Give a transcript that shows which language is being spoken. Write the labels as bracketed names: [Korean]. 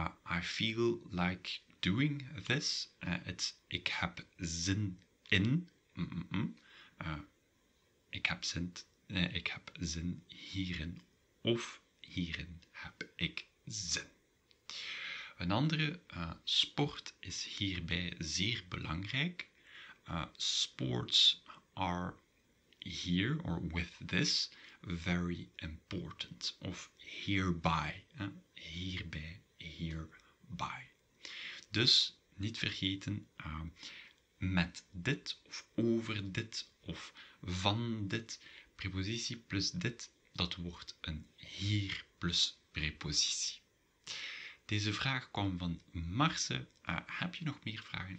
[English] I feel like doing this, [Dutch] ik heb zin in, ik heb zin hierin, of hierin heb ik zin. Een andere, sport is hierbij zeer belangrijk. [English] Sports are here, or with this, very important, of hereby, hierbij, hereby. [Dutch] Dus, niet vergeten, met dit, of over dit, of van dit, prepositie plus dit, dat wordt een hier plus prepositie. Deze vraag kwam van Marse. Heb je nog meer vragen?